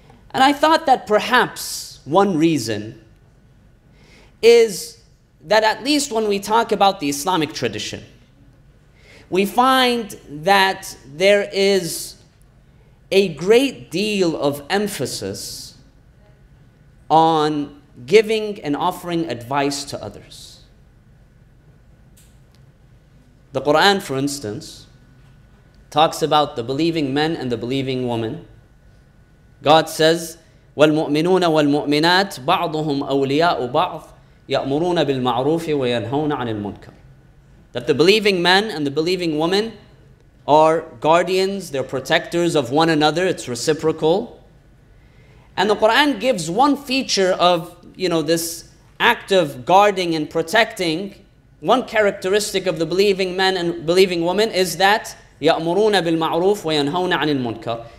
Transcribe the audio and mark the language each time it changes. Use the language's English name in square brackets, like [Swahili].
[English] And I thought that perhaps one reason is that at least when we talk about the Islamic tradition, we find that there is a great deal of emphasis on giving and offering advice to others. The Quran, for instance, talks about the believing men and the believing woman. God says, [Arabic] وَالْمُؤْمِنُونَ وَالْمُؤْمِنَاتِ بَعْضُهُمْ أَوْلِيَاءُ بَعْضٍ يَأْمُرُونَ بِالْمَعْرُوفِ وَيَنْهَوْنَ عَنِ الْمُنْكَرِ. [English] That the believing men and the believing woman are guardians, they're protectors of one another, it's reciprocal. And the Quran gives one feature of, you know, this act of guarding and protecting. One characteristic of the believing men and believing woman is that [Arabic] يَأْمُرُونَ بِالْمَعْرُوفِ وَيَنْهَوْنَ عَنِ الْمُنْكَرِ.